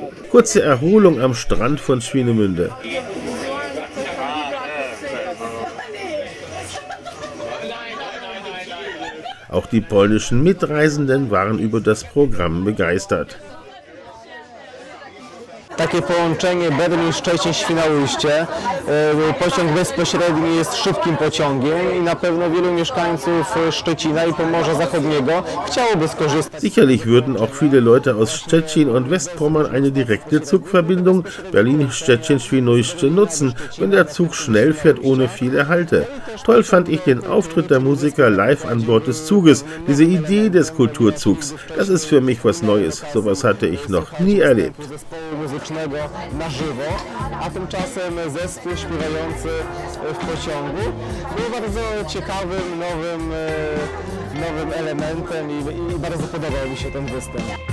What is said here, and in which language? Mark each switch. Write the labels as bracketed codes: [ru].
[de] Kurze Erholung am Strand von Swinemünde. Auch die polnischen Mitreisenden waren über das Programm begeistert. [pl] Takie połączenie Berlin-Szczecin-Świnoujście. Pociąg bezpośredni jest szybkim pociągiem i na pewno wielu mieszkańców Szczecina i Pomorza Zachodniego chciałoby skorzystać. [de] Sicherlich würden auch viele Leute aus Szczecin und Westpommern eine direkte Zugverbindung Berlin-Szczecin-Świnoujście nutzen, wenn der Zug schnell fährt ohne viele Halte. Toll fand ich den Auftritt der Musiker live an Bord des Zuges, diese Idee des Kulturzugs. Das ist für mich was Neues, sowas hatte ich noch nie erlebt. [pl] Na żywo, a tymczasem zespół śpiewający w pociągu był bardzo ciekawym, nowym elementem i bardzo podobał mi się ten występ.